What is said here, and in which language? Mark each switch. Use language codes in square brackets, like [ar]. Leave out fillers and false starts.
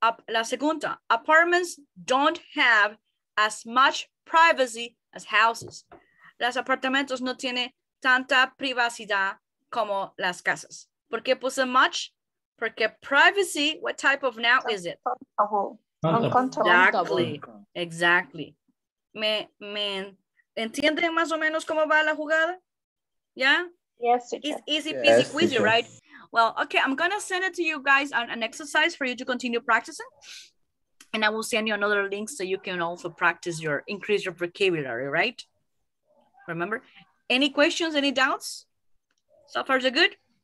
[es] La segunda, [en] apartments don't have as much privacy as houses. [es] Los apartamentos no tienen tanta privacidad como las casas. ¿Por qué puse much? Porque [en] privacy, what type of noun is it? Uncountable. Exactly, exactly. [es] ¿Me entienden más o menos cómo va la jugada? ¿Ya? [en] Yes, teacher. It's easy peasy, yes, quizy, right? Well, okay, I'm going to send it to you guys on an exercise for you to continue practicing. And I will send you another link so you can also practice your, increase your vocabulary, right? Remember? Any questions, any doubts? So far, so good?